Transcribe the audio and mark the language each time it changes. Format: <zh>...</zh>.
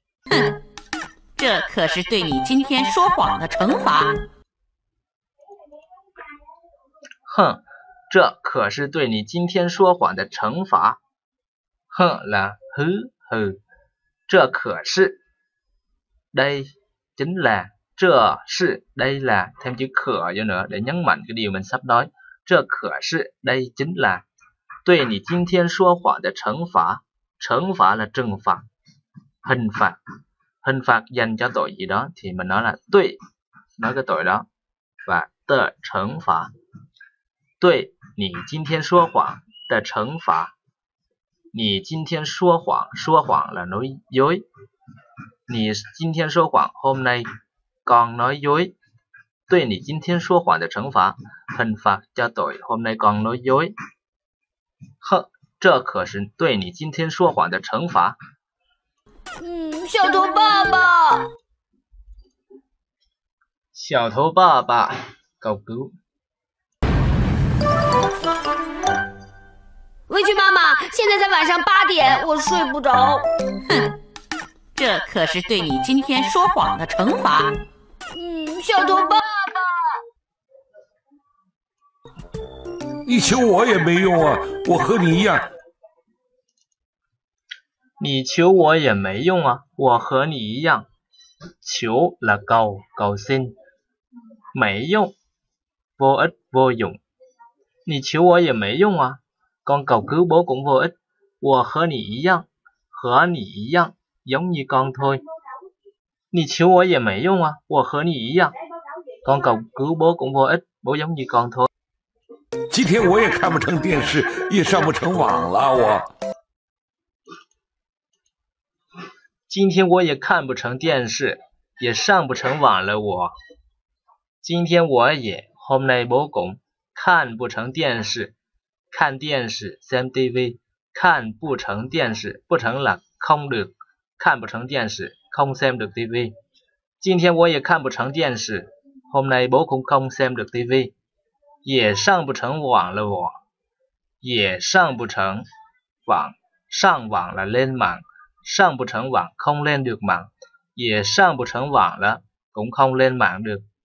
<zh>哼，这可是对你今天说谎的惩罚。哼，这可是对你今天说谎的惩罚。哼啦呵呵，这可是来真来。</zh> <vi>这是đây là thêm chữ khở vô nữa để nhấn mạnh cái điều mình sắp nói. 这可是 đây chính là</vi> <zh>对你今天说谎的惩罚，</zh> <vi>惩罚là trừng phạt, hình phạt, hình phạt dành cho tội gì đó thì mình nói là 对, nói cái tội đó và 的惩罚,</vi> <zh>对你今天说谎的惩罚, 你今天说谎, 说谎là nói dối, 你今天说谎, hôm nay,con nói dối, 对你今天说谎的惩罚,</zh> <vi>hình phạt cho tội hôm nay con nói dối.</vi> <zh>哼, 这可是对你今天说谎的惩罚。小头爸爸。小头爸爸, 狗狗。围裙妈妈, 现在在晚上8点, 我睡不着。哼, 这可是对你今天说谎的惩罚。小头爸爸，你求我也没用啊，我和你一样。你求我也没用啊，我和你一样。求了高高兴，没用，</zh> <vi>vô ích vô dụng.</vi> <zh>你求我也没用啊。</zh> <vi>Con cầu cứu bố cũng vô ích.</vi> <zh>我和你一样。和你一样。</zh> <vi>Giống như con thôi.</vi> <zh>你求我也没用啊。我和你一样。</zh> <vi>Con cầu cứu bố cũng vô ích. Bố giống như con thôi.</vi> <zh>今天我也看不成电视，也上不成网了我。今天我也看不成电视，也上不成网了我。</zh> <vi>今天我也 hôm nay bố cũng 看不成电视，看电视 xem TV 看不成电视，不成là không được 看不成电视 không xem được TV 今天我也看不成电视 hôm nay bố cũng không xem được TV</vi> <zh>也上不成网了我，</zh> <vi>也上不成网，上网了 lên mạng 上不成网 không lên được mạng 也上不成网了 cũng không lên mạng được</vi>